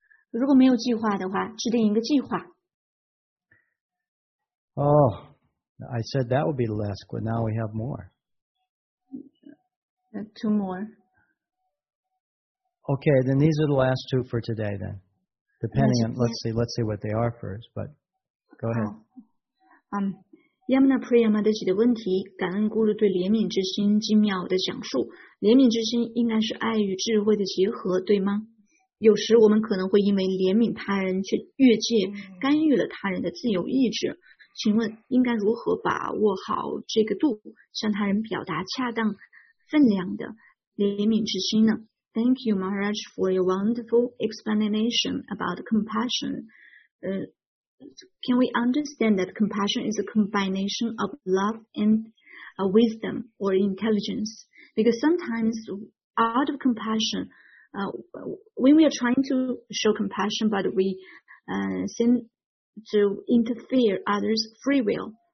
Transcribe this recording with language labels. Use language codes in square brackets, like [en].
[zh] 如果没有计划的话，制定一个计划。 [en] Oh, I said that would be the last question. Now we have more. Two more. Okay, then these are the last two for today then. Depending on, let's see what they are first, but go ahead. [zh] Yamuna Priyamadaji 的问题，感恩咕噜对怜悯之心精妙的讲述。怜悯之心应该是爱与智慧的结合，对吗？有时我们可能会因为怜悯他人却越界干预了他人的自由意志，请问应该如何把握好这个度，向他人表达恰当分量的怜悯之心呢？ [en] Thank you Maharaj for your wonderful explanation about compassion. Can we understand that compassion is a combination of love and wisdom or intelligence? Because sometimes out of compassion, when we are trying to show compassion, but we seem to interfere others' free will.